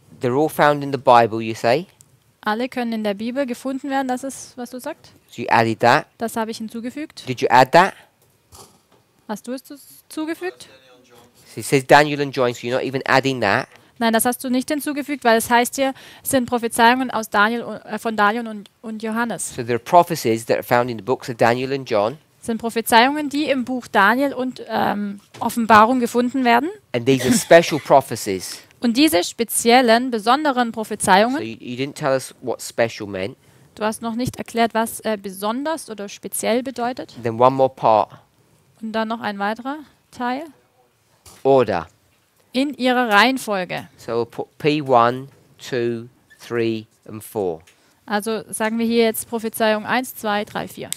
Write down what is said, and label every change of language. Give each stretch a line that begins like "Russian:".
English: They're all found in the Bible, you say.
German: Alle können in der Bibel gefunden werden, das ist, was du sagst.
English: So you added that.
German: Das habe ich hinzugefügt.
English: Did you add that?
German: Hast du es zugefügt?
English: So it says Daniel and John, so you're not even adding that.
German: Nein, das hast du nicht hinzugefügt, weil es heißt hier, es sind Prophezeiungen aus Daniel, von Daniel und Johannes.
English: So there are prophecies that are found in the books of Daniel and John.
German: Sind Prophezeiungen, die im Buch Daniel und Offenbarung gefunden werden.
English: And these are special prophecies.
German: Und diese speziellen, besonderen Prophezeiungen.
English: So you didn't tell us what special meant.
German: Du hast noch nicht erklärt, was besonders oder speziell bedeutet.
English: Then one more part.
German: Und dann noch ein weiterer Teil.
English: Order.
German: In ihrer Reihenfolge.
English: So we'll put P1, 2, 3 and 4.
German: Also sagen wir hier jetzt Prophezeiung 1, 2, 3, 4.